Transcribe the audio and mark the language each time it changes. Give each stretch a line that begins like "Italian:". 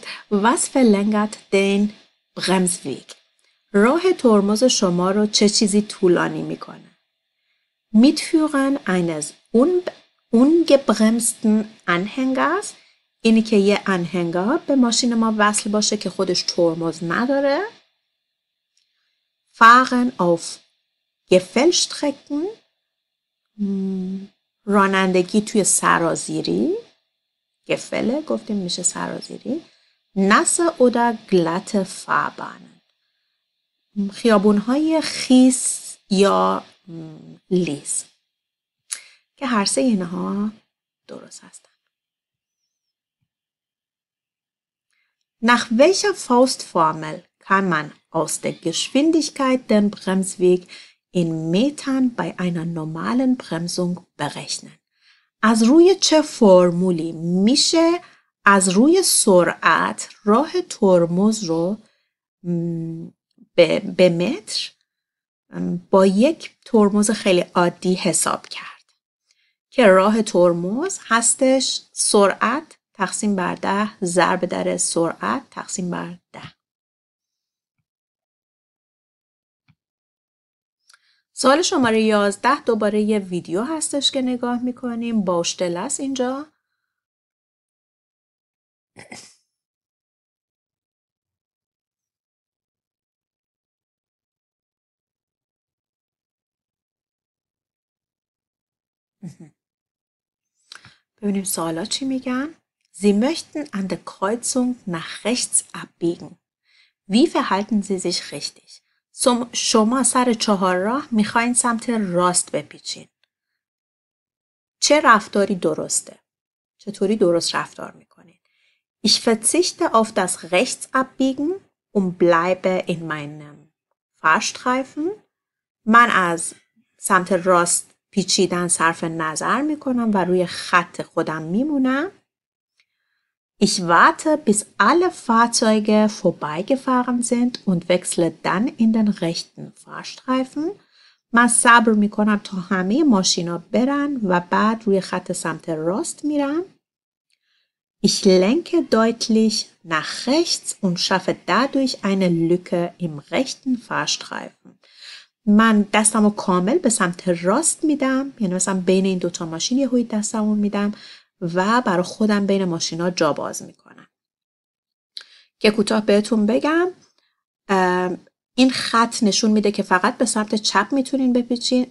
German: Was verlängert den Bremsweg?
Persian: راه ترمز شما رو چه چیزی طولانی میکنه؟
German: Mitführen eines ungebremsten Anhängers,
Persian: اینی که یه انهنگر به ماشین ما وصل باشه که خودش ترمز نداره.
German: Fahren auf Gefällstrecken,
Persian: رانندگی توی سرازیری، گفله گفتیم میشه سرازیری.
German: Nasse oder glatte Fahrbahnen,
Persian: خیابونهای خیس یا لیس. که هر سه اینها درست هستند.
German: Nach welcher Faustformel kann man aus der Geschwindigkeit den Bremsweg in Metern bei einer normalen Bremsung berechnen?
Persian: از روی چه فرمولی میشه از روی سرعت راه ترمز رو به متر با یک ترمز خیلی عادی حساب کرد؟ که راه ترمز هستش سرعت تقسیم بر 10 ضرب در سرعت تقسیم بر 10. سوال شماره 11 دوباره یه ویدیو هستش که نگاه میکنیم. باشتلس اینجا. ببینیم سوالا چی میگن.
German: Sie möchten an der Kreuzung nach rechts abbiegen. Wie verhalten Sie sich richtig?
Persian: شما سر چهار راه میخواین سمت راست بپیچین. چه رفتاری درسته؟ چطوری درست رفتار میکنین؟
German: Ich verzichte auf das rechts abbiegen und bleibe in meinem Fahrstreifen.
Persian: من از سمت راست پیچیدن صرف نظر می کنم و روی خط خودم می مونم.
German: Ich warte, bis alle Fahrzeuge vorbeigefahren sind und wechsle dann in den rechten Fahrstreifen.
Persian: من صبر می کنم تا همه ماشینا برن و بعد روی خط سمت راست میرم.
German: Ich lenke deutlich nach rechts und schaffe dadurch eine Lücke im rechten Fahrstreifen.
Persian: من دستم رو کامل به سمت راست میدم، یعنی مثلا بین این دوتا ماشین یه هوی دستم رو میدم و برای خودم بین ماشینا جا باز میکنم. که کوتاه بهتون بگم، این خط نشون میده که فقط به سمت چپ میتونین بپیچین.